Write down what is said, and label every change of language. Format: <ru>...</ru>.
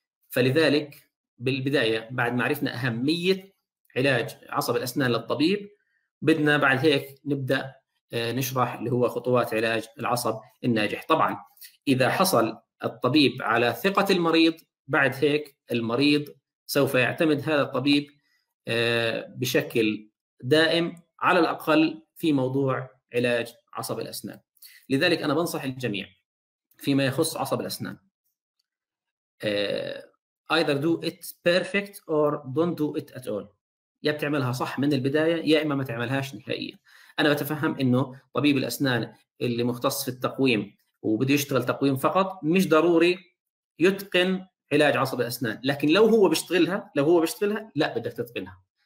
<ar>فلذلك بالبدايه بعد ما عرفنا اهميه علاج عصب الأسنان للطبيب، بدنا بعد هيك نبدأ نشرح اللي هو خطوات علاج العصب الناجح. طبعا إذا حصل الطبيب على ثقة المريض، بعد هيك المريض سوف يعتمد هذا الطبيب بشكل دائم على الأقل في موضوع علاج عصب الأسنان. لذلك أنا بنصح الجميع فيما يخص عصب الأسنان،</ar> <en>either do it perfect or don't do it at all.</en> <ar>يا بتعملها صح من البداية يا إما ما تعملهاش نهائيا. أنا بتفهم إنه طبيب الأسنان اللي مختص في التقويم وبده يشتغل تقويم فقط مش ضروري يتقن علاج عصب الأسنان، لكن لو هو بيشتغلها، لو هو بيشتغلها لا بدك تتقنها.</ar>